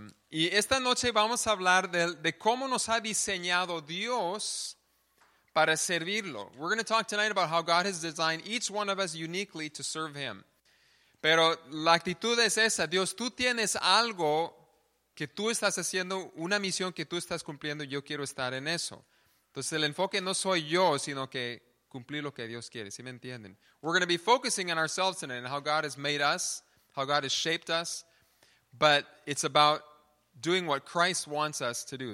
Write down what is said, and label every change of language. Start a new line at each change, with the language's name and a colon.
Spanish: Y esta noche vamos a hablar de cómo nos ha diseñado Dios para servirlo.
English: We're going to talk tonight about how God has designed each one of us uniquely to serve Him.
Spanish: Pero la actitud es esa. Dios, tú tienes algo que tú estás haciendo, una misión que tú estás cumpliendo. Yo quiero estar en eso. Entonces, el enfoque no soy yo, sino que cumplir lo que Dios quiere. ¿Sí me entienden?
English: We're going to be focusing on ourselves tonight and how God has made us, how God has shaped us. But it's about doing what Christ wants us to do.